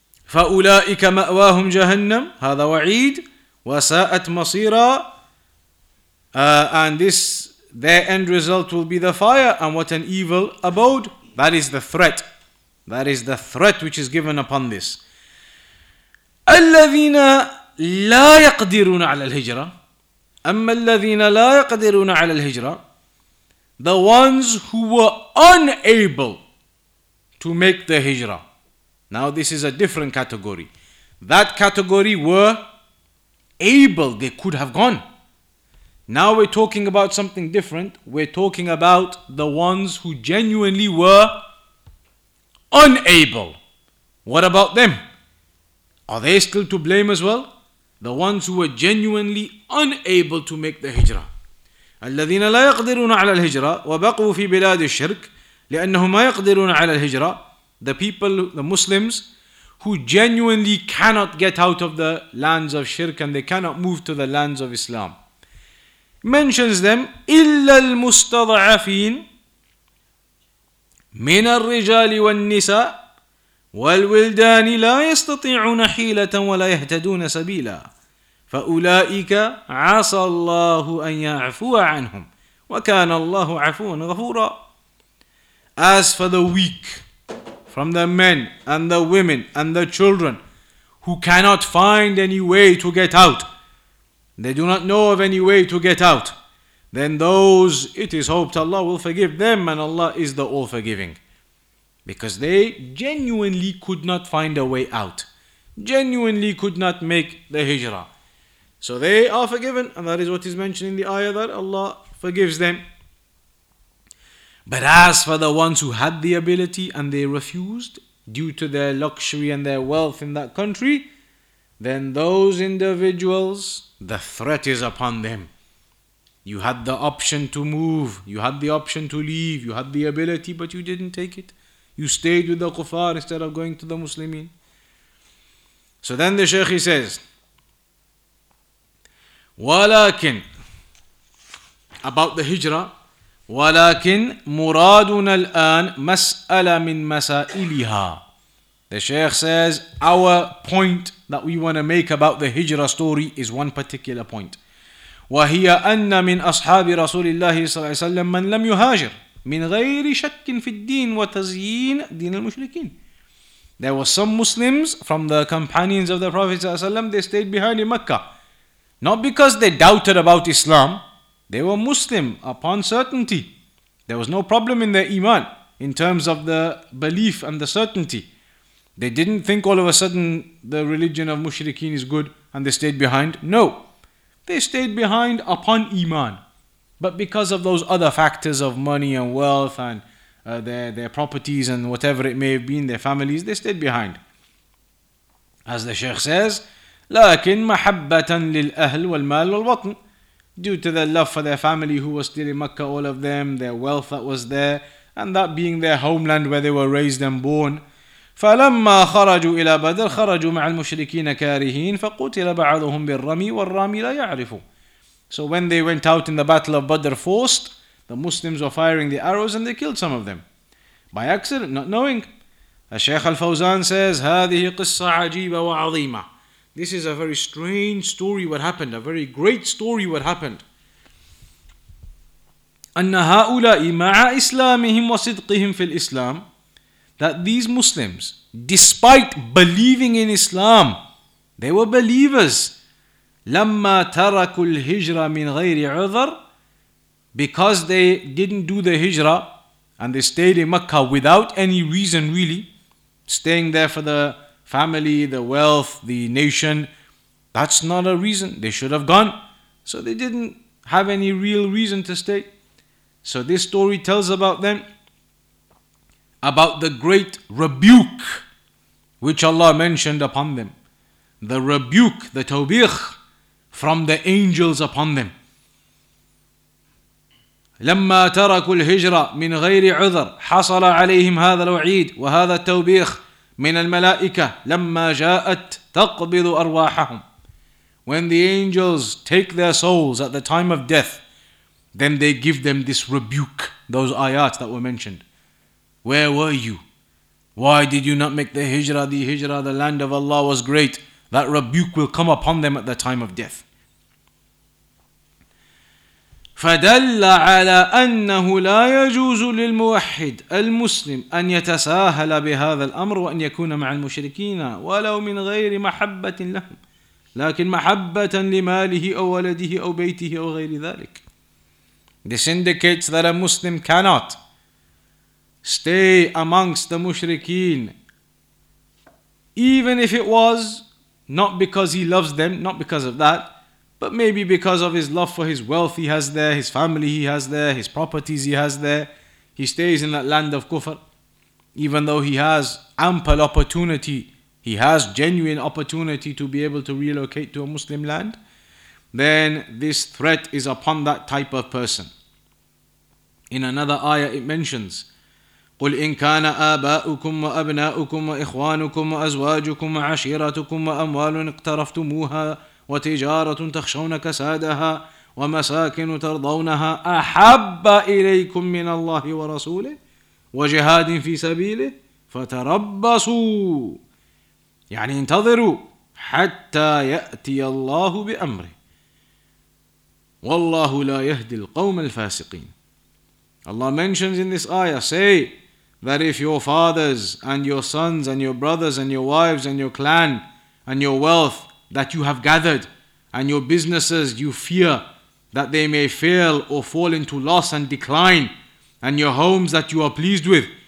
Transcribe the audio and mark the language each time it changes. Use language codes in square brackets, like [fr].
[ar] فَأُولَٰئِكَ مَأْوَاهُمْ جَهَنَّمْ هَذَا وَعِيدٌ وَسَاءَتْ مَصِيرًا [en] And this, their end result will be the fire and what an evil abode. That is the threat. That is the threat which is given upon this. [ar] الذين لا يقدرون على الهجرة أما الذين لا يقدرون على الهجرة [en] The ones who were unable to make the hijrah. Now this is a different category. That category were able, they could have gone. Now we're talking about something different. We're talking about the ones who genuinely were unable. What about them? Are they still to blame as well? The ones who were genuinely unable to make the hijrah. [ar] الذين لا يقدرون على الهجرة وبقوا في بلاد الشرك لأنهم ما يقدرون على الهجرة. [en] The people, the Muslims, who genuinely cannot get out of the lands of shirk and they cannot move to the lands of Islam. Mentions them [ar] إلا المستضعفين من الرجال والنساء والولدان لا يستطيعون حيلة ولا يهتدون سبيلا فأولئك عسى الله أن يعفو عنهم وكان الله عفوا غفورا [en] As for the weak from the men and the women and the children who cannot find any way to get out. They do not know of any way to get out. Then those, it is hoped Allah will forgive them, and Allah is the all-forgiving. Because they genuinely could not find a way out. Genuinely could not make the hijrah. So they are forgiven, and that is what is mentioned in the ayah, that Allah forgives them. But as for the ones who had the ability and they refused due to their luxury and their wealth in that country, then those individuals, the threat is upon them. You had the option to move, you had the option to leave, you had the ability, but you didn't take it. You stayed with the kuffar instead of going to the Muslimin. So then the Shaykh, he says, [ar] ولكن [en] about the hijrah, [ar] ولكن مرادنا الآن مسألة من مسائلها. [en] The Shaykh says, our point that we want to make about the hijrah story is one particular point. [ar] وهي أن من أصحاب رسول الله صلى الله عليه وسلم من لم يهاجر من غير شك في الدين وتزيين دين المشركين. [en] There were some Muslims from the companions of the Prophet [ar] صلى الله عليه وسلم, [en] they stayed behind in Mecca. Not because they doubted about Islam. They were Muslim upon certainty. There was no problem in their iman in terms of the belief and the certainty. They didn't think all of a sudden the religion of mushrikeen is good and they stayed behind. No. They stayed behind upon iman. But because of those other factors of money and wealth and their properties and whatever it may have been, their families, they stayed behind. As the Sheikh says, [ar] لكن محبة للأهل والمال والوطن. [en] Due to their love for their family who was still in Mecca, all of them, their wealth that was there, and that being their homeland where they were raised and born. [ar] فلما خرجوا إلى بدر خرجوا مع المشركين كارهين فقتل بعضهم بالرمي والرامي لا يعرفوا. [en] So when they went out in the battle of Badr forced, the Muslims were firing the arrows and they killed some of them. By accident, not knowing. [ar] الشيخ الفوزان says, هذه قصة عجيبة وعظيمة. [en] This is a very strange story what happened, a very great story what happened. [ar] أَنَّ هَؤُلَاءِ مَعَ إِسْلَامِهِمْ وَصِدْقِهِمْ فِي الْإِسْلَامِ [en] That these Muslims, despite believing in Islam, they were believers. [ar] لَمَّا تَرَكُوا الْهِجْرَ مِنْ غَيْرِ عُذَرٍ [en] Because they didn't do the hijrah and they stayed in Mecca without any reason really, staying there for the family, the wealth, the nation, that's not a reason. They should have gone. So they didn't have any real reason to stay. So this story tells about them, about the great rebuke which Allah mentioned upon them. The rebuke, the tawbikh from the angels upon them. [ar] لَمَّا تَرَكُوا الْهِجْرَةَ مِنْ غَيْرِ عُذْرٍ حَصَلَ عَلَيْهِمْ هَذَا الْوَعِيدِ وَهَذَا التَّوْبِيخِ من الملائكة لما جاءت تقبض أرواحهم. [en] When the angels take their souls at the time of death, then they give them this rebuke, those ayat that were mentioned. Where were you? Why did you not make the hijrah? The hijrah, the land of Allah was great. That rebuke will come upon them at the time of death. [ar] فدل على أنه لا يجوز للموحد المسلم أن يتساهل بهذا الأمر وأن يكون مع المشركين ولو من غير محبة لهم لكن محبة لماله أو ولده أو بيته أو غير ذلك. [en] This indicates that a Muslim cannot stay amongst the mushrikeen even if it was not because he loves them, not because of that, but maybe because of his love for his wealth he has there, his family he has there, his properties he has there. He stays in that land of kufr. Even though he has ample opportunity, he has genuine opportunity to be able to relocate to a Muslim land, then this threat is upon that type of person. In another ayah it mentions, [ar] قُلْ إِنْ كَانَ آبَاؤُكُمْ وَأَبْنَاؤُكُمْ وَإِخْوَانُكُمْ وَأَزْوَاجُكُمْ وَعَشِيرَتُكُمْ وَأَمْوَالٌ اقْتَرَفْتُمُوهَا وتجارة تخشون كسادها ومساكن ترضونها أحب إليكم من الله ورسوله وجهاد في سبيله فتربصوا يعني انتظروا حتى يأتي الله بأمره والله لا يهدي القوم الفاسقين. [en] Allah mentions in this ayah, say that if your fathers and your sons and your brothers and your wives and your clan and your wealth that you have gathered, and your businesses you fear that they may fail or fall into loss and decline, and your homes that you are pleased with.